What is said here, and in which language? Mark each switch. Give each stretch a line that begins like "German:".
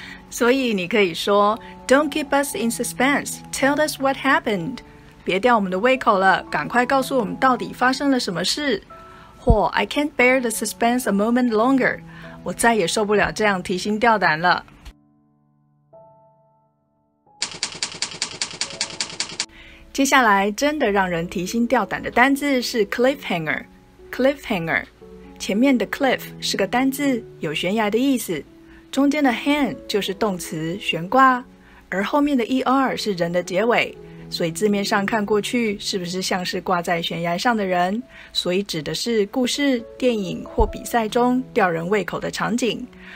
Chinese: 所以你可以说
English: Don't keep us in suspense, tell us what happened.
Chinese: 别吊我们的胃口了，赶快告诉我们到底发生了什么事。
English: 或 I can't bear the suspense a moment longer.
Chinese: 我再也受不了这样提心吊胆了。接下来真的让人提心吊胆的单字是 cliffhanger。 cliffhanger 前面的 cliff 是个单字，有悬崖的意思，中间的 hang 就是动词悬挂，而后面的 er 是人的结尾，所以字面上看过去是不是像是挂在悬崖上的人，所以指的是故事、电影或比赛中吊人胃口的场景。